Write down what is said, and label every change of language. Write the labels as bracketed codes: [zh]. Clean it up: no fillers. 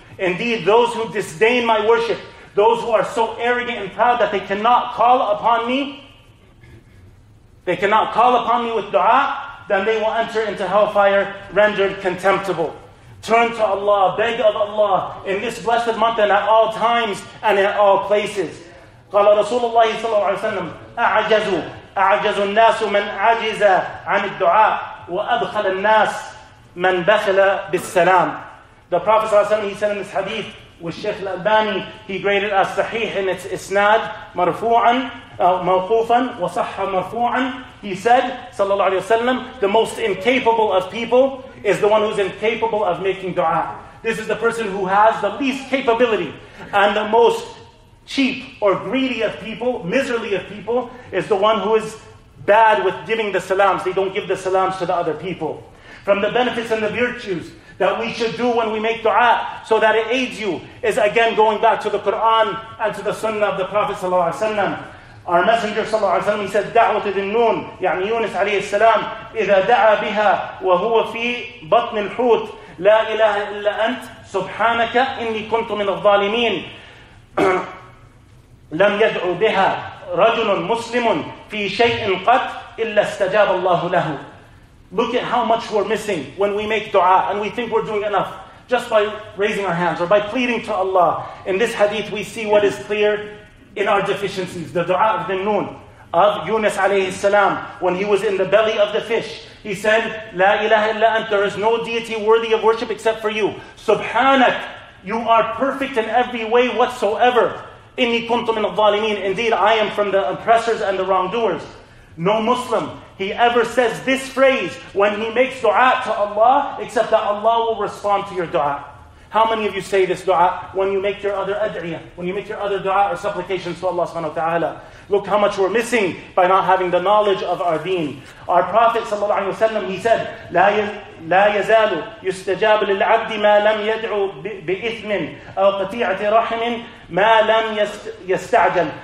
[en] Indeed, those who disdain my worship, those who are so arrogant and proud that they cannot call upon me, they cannot call upon me with dua, then they will enter into hellfire, rendered contemptible. Turn to Allah, beg of Allah in this blessed month and at all times and in all places. [ar] قال رسول الله صلى الله عليه وسلم أعجز الناس من عجز عن الدعاء وأدخل الناس من بخل بالسلام. [en] The Prophet صلى الله عليه وسلم, he said in this hadith with Sheikh Al-Albani, he graded as sahih in its isnad, [ar] marfu'an, mawqufan, wasahha marfu'an. [en] He said, صلى الله عليه وسلم, the most incapable of people is the one who's incapable of making dua. This is the person who has the least capability. And the most cheap or greedy of people, miserly of people, is the one who is bad with giving the salams. They don't give the salams to the other people. From the benefits and the virtues that we should do when we make dua so that it aids you, is again going back to the Quran and to the Sunnah of the Prophet sallallahu alaihi wasallam. Our Messenger صلى الله عليه وسلم, he said, [ar] دعوة ذي النون, يعني يونس عليه السلام, إذا دعا بها وهو في بطن الحوت, لا إله إلا أنت سبحانك إني كنت من الظالمين. لم يدعو بها رجل مسلم في شيء قط إلا استجاب الله له. [en] Look at how much we're missing when we make dua and we think we're doing enough just by raising our hands or by pleading to Allah. In this hadith we see what is clear in our deficiencies. The dua of the noon of Yunus alayhi salam, when he was in the belly of the fish, he said, [ar] La ilaha illa ant, [en] there is no deity worthy of worship except for you. Subhanak, you are perfect in every way whatsoever. [ar] Inni kuntu min al-zalimin, [en] indeed I am from the oppressors and the wrongdoers. No Muslim, he ever says this phrase when he makes dua to Allah, except that Allah will respond to your dua. How many of you say this dua when you make your other ad'iyah, when you make your other dua or supplications to Allah subhanahu wa ta'ala? Look how much we're missing by not having the knowledge of our deen. Our Prophet sallallahu alayhi wa sallam, he said, [ar] لَا يَزَالُ يُسْتَجَابُ لِلْعَبْدِ مَا لَمْ يَدْعُ بِإِثْمٍ أَوْ قَطِيعَةِ رَحِمٍ مَا لَمْ يَسْتَعْجَلُ.